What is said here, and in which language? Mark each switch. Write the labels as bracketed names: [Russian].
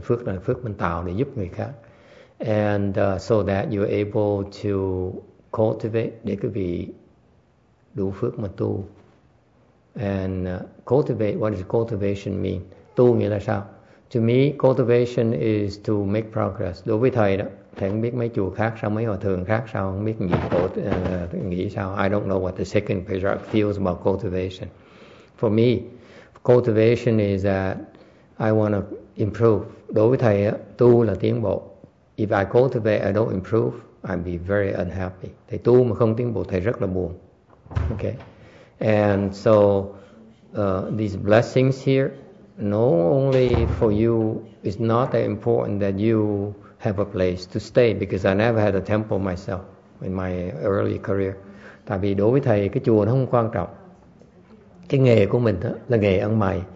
[Vietnamese] Cái phước là phước mình tạo để giúp người khác, [English] and so that you're able to cultivate, [Vietnamese] để cái vị đủ phước mà tu. [English] And cultivate, what does cultivation mean? [Vietnamese] Tu nghĩa là sao? [English] To me, cultivation is to make progress. [Vietnamese] Đối với thầy đó, thầy không biết mấy chùa khác sao, mấy hòa thượng khác sao, không biết nghĩ sao. [English] I don't know what the second patriarch feels about cultivation. For me, cultivation is that I want to improve. [Vietnamese] Đối với thầy đó, tu là tiến bộ. [English] If I cultivate, I don't improve, I'd be very unhappy. [Vietnamese] Thầy tu mà không tiến bộ, thầy rất là buồn. [English] Okay, and so these blessings here, not only for you, it's not that important that you have a place to stay, because I never had a temple myself in my early career. [Vietnamese] Tại vì đối với thầy cái chùa nó không quan trọng, cái nghề của mình đó là nghề ăn mày.